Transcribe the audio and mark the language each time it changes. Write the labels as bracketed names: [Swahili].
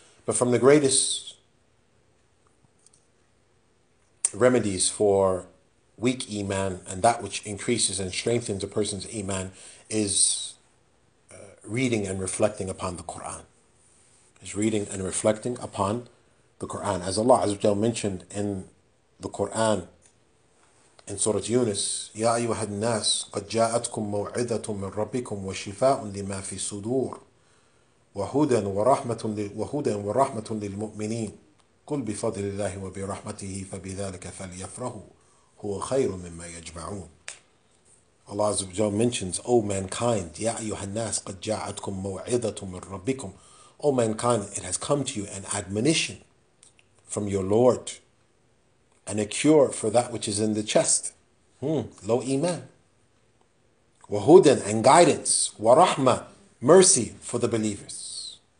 [English] But from the greatest remedies for weak iman and that which increases and strengthens a person's iman is reading and reflecting upon the Quran. Is reading and reflecting upon the Quran. As Allah Azza wa Jalla mentioned in the Quran, in Surah Yunus, [Arabic] يا أيها الناس قد جاءتكم موعظة من ربكم وشفاء لما في الصدور وهدى ورحمة للمؤمنين قل بفضل الله وبرحمته فبذلك فليفرحوا هو خير مما يجمعون. [English] Allah Azza wa Jalla mentions, O mankind, [Arabic] يا أيها الناس قد جاءتكم موعظة من ربكم. [English] O mankind, it has come to you an admonition from your Lord. And a cure for that which is in the chest. Low iman. Wahudan and guidance. Warahma, mercy for the believers.